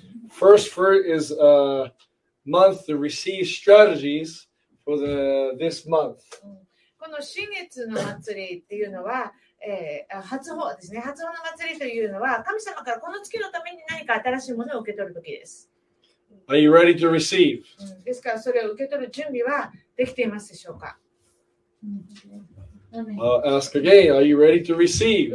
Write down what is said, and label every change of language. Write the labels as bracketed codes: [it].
[en] First fruit is a month to receive strategies for the this month. [ja] この新月の祭りっていうのは、初穂ですね。初穂の祭りというのは、神様からこの月のために何か新しいものを受け取るときです。 [en] Are you ready to receive? [ja] ですから、それを受け取る準備はできていますでしょうか。 [en] I'll ask again, are you ready to receive?